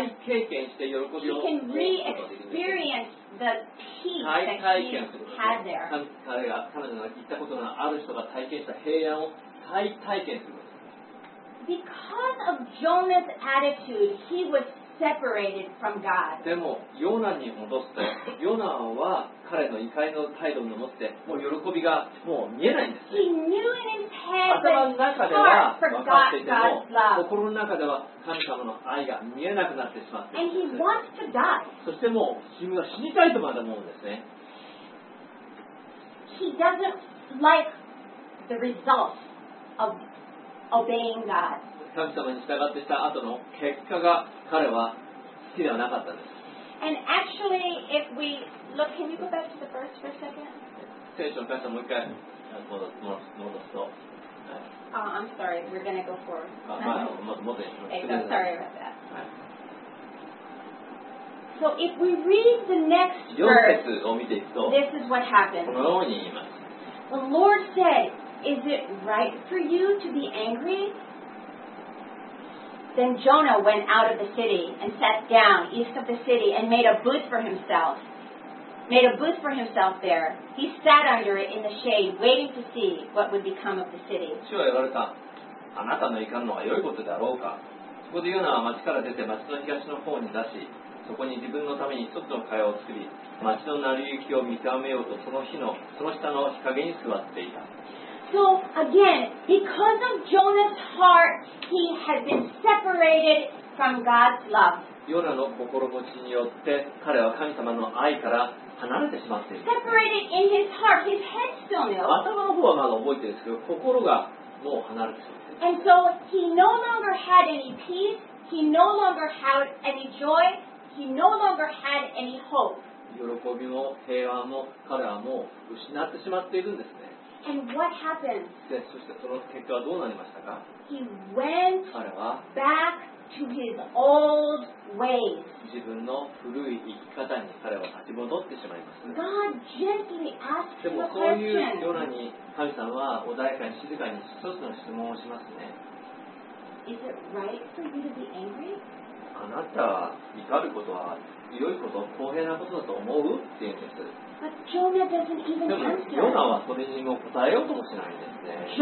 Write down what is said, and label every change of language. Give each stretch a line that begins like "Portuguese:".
English: She can re-experience the peace that she had there. Because of Jonah's attitude, he was separated from God.
Japanese: でもヨナに戻すと、ヨナは彼の怒りの態度を持って、もう喜びがもう見えないんです。
English: He knew in his head that God forgot God's love.
Japanese: 頭の中では分かっていても、心の中では神様の愛が見えなくなってしまって。
English: And he wants to die.
Japanese: そしてもう自分は死にたいとまで思うんですね。
English: He doesn't like the result of obeying God.
Japanese: 神様に従ってした後の結果が彼は好きではなかったです。
English: And actually, if we look, can you go back to the verse for a second?
Japanese: 聖書の箇所もう一回戻すと。
English: Oh, I'm sorry. We're gonna go forward. I'm sorry about that. So if we read the next verse, this is what happens.
Japanese: このように言います。
English: The Lord said. Is it right for you to be angry? Then Jonah went out of the city and sat down east of the city and made a booth for himself. Made a booth for himself there. He sat under it in the shade, waiting to see what would become of the city.
Japanese: 主は言われた。あなたの怒るのは良いことであろうか。そこでヨナは町から出て町の東の方に出し、そこに自分のために一つの蚊帳を作り、町の成り行きを見極めようとその下の日陰に座っていた。
English: So again, because of Jonah's heart, he had been separated from God's love.
Japanese: ヨナの心持ちによって彼は神様の愛から離れてしまっている。
English: Separated in his heart, his head still knew.
Japanese: 頭の方はまだ覚えてるんですけど、心がもう離れてしまっている。
English: And so he no longer had any peace. He no longer had any joy. He no longer had any hope.
Japanese: 喜びも平和も彼はもう失ってしまっているんですね。
English: And what happened?
Japanese: でそしてその結果はどうなりましたか。
English: He went
Japanese: 彼は
English: back to his old ways.
Japanese: 自分の古い生き方に彼は立ち戻ってしまいます。
English: God gently asked him a question.
Japanese: でもそういう夜に神さんは穏やかに静かに一つの質問をしますね。
English: Is it right for you to be angry?
Japanese: あなたは怒ることは良いこと、公平なことだと思うって言うんです。
English: But Jonah doesn't even answer.
Japanese: でもヨナはそれにも答えようともしないんですね。